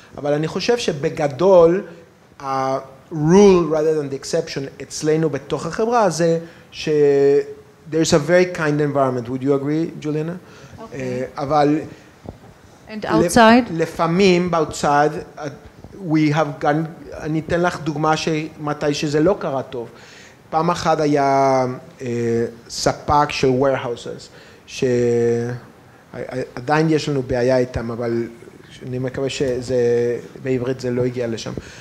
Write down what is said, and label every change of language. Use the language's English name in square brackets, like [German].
[Hebrew] אבל אני חושב שבגדול, ה- [English] rule rather than the exception [Hebrew] אצלנו בתוך החברה זה ש... [English] there's a very kind environment, would you agree, Juliana? Okay. [Hebrew] אבל... [English] And outside? [Hebrew] לפעמים, [English] outside, we have gone, [Hebrew] אני אתן לך דוגמה שמתי שזה לא קרה טוב. פעם אחת היה ספק של warehouses, שעדיין יש לנו בעיה איתם, אבל אני מקווה שזה, בעברית זה לא הגיע לשם.